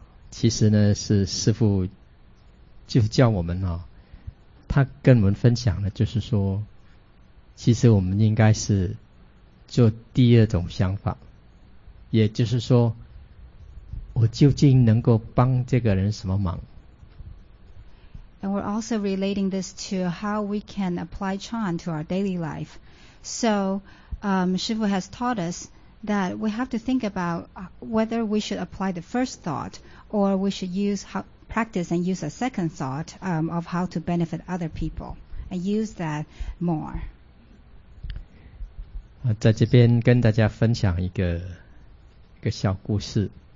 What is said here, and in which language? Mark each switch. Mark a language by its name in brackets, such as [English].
[Chinese] 其实呢是师父就叫我们他跟我们分享的就是说，其实我们应该是做第二种想法，也就是说，我究竟能够帮这个人什么忙。 [English] And we're also relating this to how we can apply Chan to our daily life. So, Shifu has taught us that we have to think about whether we should apply the first thought or we should use a second thought of how to benefit other people and use that more. [Chinese] 在这边跟大家分享一个小故事。